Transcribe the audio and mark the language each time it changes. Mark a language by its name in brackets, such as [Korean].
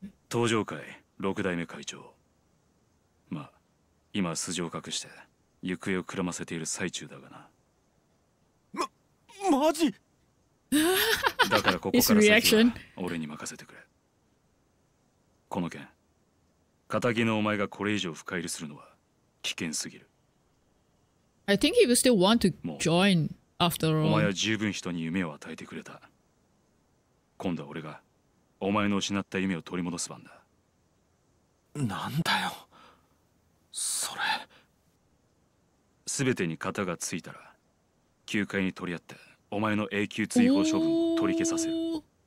[Japanese] 東城会六代目会長。まあ今素性を隠して行方をくらませている最中だがな。マジ。だからここから先は俺に任せてくれ。この件、片木のお前がこれ以上深入りするのは危険すぎる。 [English] I think he would still want to join after all. [Japanese] お前は十分人に夢を与えてくれた。今度は俺がお前の失った夢を取り戻す番だ。なんだよ、それ。全てに型がついたら、球界に取り合って、お前の永久追放処分を取り消させる。